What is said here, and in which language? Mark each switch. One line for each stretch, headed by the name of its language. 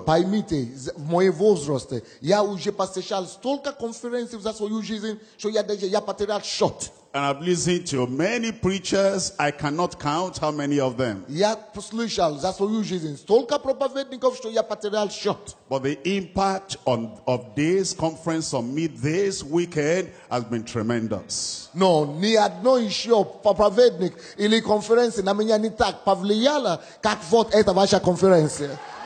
Russian: Поймите, в моей возрасте я уже посещал столько конференций за свою жизнь, что я даже я потерял счет.
English: And I've listened to many preachers. I cannot count how many of them. But the impact of this conference on me this weekend has been tremendous.
Russian: No, ни одно еще проповедник или конференции на меня не так повлияло, как вот эта ваша конференция.